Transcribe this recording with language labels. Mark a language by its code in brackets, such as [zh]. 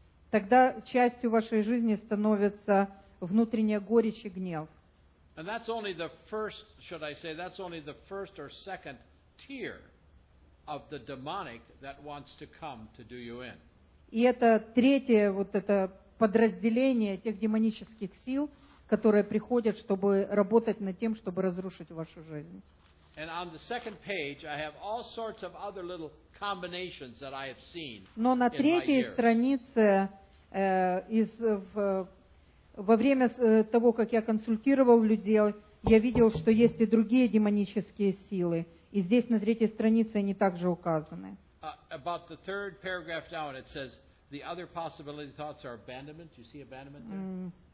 [ru] Тогда частью вашей жизни становится внутренняя горечь и гнев. [en] And that's only the first, should I say, that's only the first or second tier. of the demonic that wants to come to do you in. [ru] И это третье вот это подразделение тех демонических сил, которые приходят, чтобы работать над тем, чтобы разрушить вашу жизнь. [en] And on the second page, I have all sorts of other little combinations that I have seen. [ru] Но на третьей странице из во время того, как я консультировал людей, я видел, что есть и другие демонические силы. И здесь на третьей странице они также указаны. [en] About the third paragraph down, it says the other possibility thoughts are abandonment. You see abandonment there?